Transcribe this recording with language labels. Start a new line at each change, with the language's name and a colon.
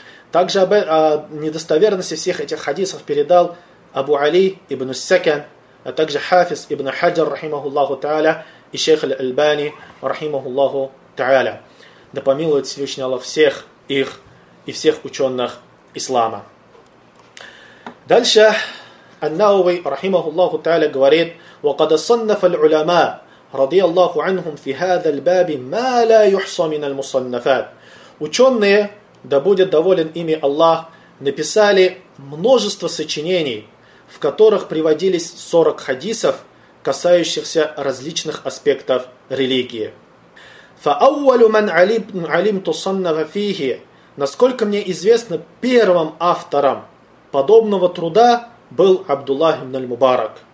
Russian: Также о недостоверности всех этих хадисов передал Абу Али ибн Ас-Сакан, а также Хафиз ибн Хаджар, рахимахуллаху та'аля, и шейх аль-Альбани, рахимахуллаху та'аля. Да помилует Всевышний Аллах всех их и всех ученых ислама. Дальше ан-Науи, рахимахуллаху та'аля, говорит:
Arabic: وَقَدَ صَنَّفَ الْعُلَمَا رَضِيَ اللَّهُ عَنْهُمْ فِي هَذَا الْبَابِ مَا لَا يُحْصَ مِنَ الْمُصَنَّفَاتِ.
Russian: Ученые, да будет доволен ими Аллах, написали множество сочинений, в которых приводились 40 хадисов, касающихся различных аспектов религии.
Arabic: فأول من علمت صنف فيه,
Russian: насколько мне известно, первым автором подобного труда был Абдуллах ибн аль-Мубарак.